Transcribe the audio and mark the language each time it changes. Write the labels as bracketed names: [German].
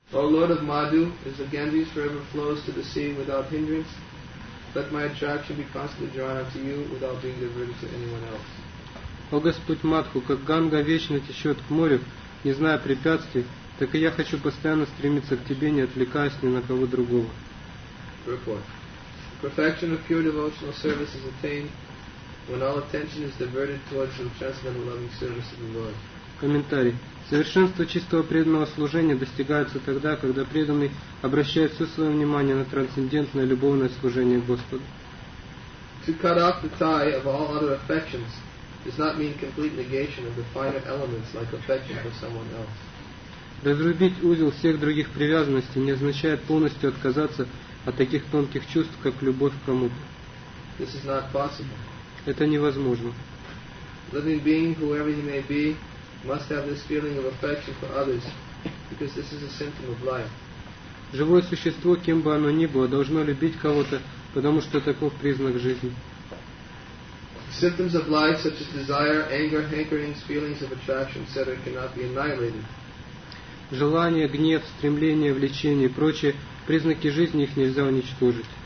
[English] O Lord of Madhu, as the Ganges forever flows to the sea without hindrance, let my attraction be constantly drawn up to you without being diverted to anyone else. [Russian] О Господь Мадху, как Ганга вечно течет к морю, не зная препятствий, так и я хочу постоянно стремиться к Тебе, не отвлекаясь ни на кого другого. [English] Report. The perfection of pure devotional service is attained when all attention is diverted towards the transcendental loving service of the Lord. [Russian] Комментарий. Совершенство чистого преданного служения достигается тогда, когда преданный обращает все свое внимание на трансцендентное любовное служение Господу. [English] To cut off the tie of all other affections does not mean complete negation of the finer elements like affection for someone else. [Russian] Разрубить узел всех других привязанностей не означает полностью отказаться от таких тонких чувств, как любовь к кому-то. [English] This is not possible. [Russian] Это невозможно. [English] Living being, whoever he may be, must have this feeling of affection for others, because this is a symptom of life. [Russian] Живое существо, кем бы оно ни было, должно любить кого-то, потому что таков признак жизни. [English] Symptoms of life, such as desire, anger, hankerings, feelings of attraction, etc., cannot be annihilated. [Russian] Желание, гнев, стремление, влечение и прочие признаки жизни, их нельзя уничтожить.